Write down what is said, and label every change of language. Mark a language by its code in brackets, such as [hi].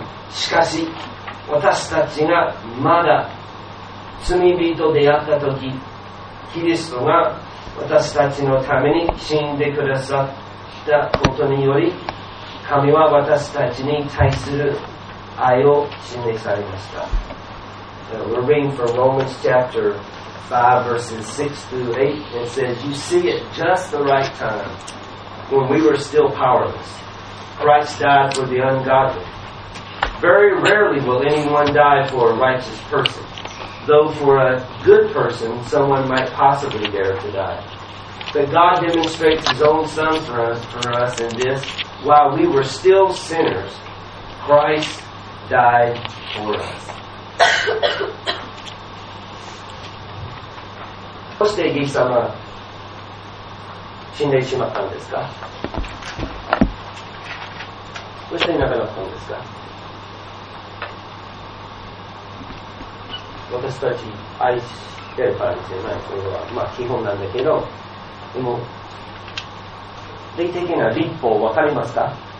[ja] しかし私たちがまだ罪人であったとき、キリストが私たちのために死んでくださったことにより、神は私たちに対する愛を示されました。 [en] We're reading from Romans chapter 5, verses 6 through 8. It says, You see, at just the right time, when we were still powerless, Christ died for the ungodly. Very rarely will anyone die for a righteous person, though for a good person someone might possibly dare to die. But God demonstrates His own Son for us in this, while we were still sinners, Christ died for us. [ja] どうしてイエス様は死んでしまったんですか？どうして亡くなったんですか？私たち愛してるからですよね。それはまあ基本なんだけど、でも霊的な立法わかりますか？